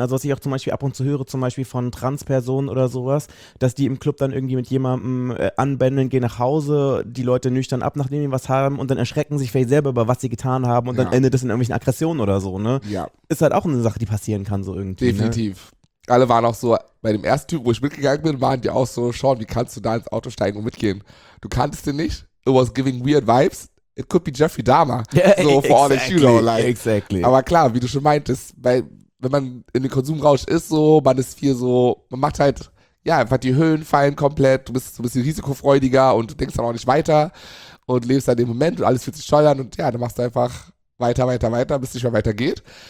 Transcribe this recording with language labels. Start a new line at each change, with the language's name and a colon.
German: Also was ich auch zum Beispiel ab und zu höre, zum Beispiel von Transpersonen oder sowas, dass die im Club dann irgendwie mit jemandem anbändeln, gehen nach Hause, die Leute nüchtern ab, nachdem sie was haben und dann erschrecken sich vielleicht selber über, was sie getan haben und dann endet das in irgendwelchen Aggressionen oder so, ne? Ja. Ist halt auch eine Sache, die passieren kann, so irgendwie. Definitiv. Ne? Alle waren auch so, bei dem ersten Typ, wo ich mitgegangen bin, waren die auch so, Sean, wie kannst du da ins Auto steigen und mitgehen? Du kanntest den nicht.
English: It was giving weird vibes. It could be Jeffrey Dahmer. So for exactly, all the you know, like. Exactly.
German: Aber klar, wie du schon meintest, weil wenn man in den Konsumrausch ist, so, man ist viel so, man macht halt, ja, einfach die Höhen fallen komplett, du bist so ein bisschen risikofreudiger und du denkst dann auch nicht weiter und lebst dann den Moment und alles fühlt sich toll an und ja, dann machst du einfach weiter, bis es nicht mehr weiter geht.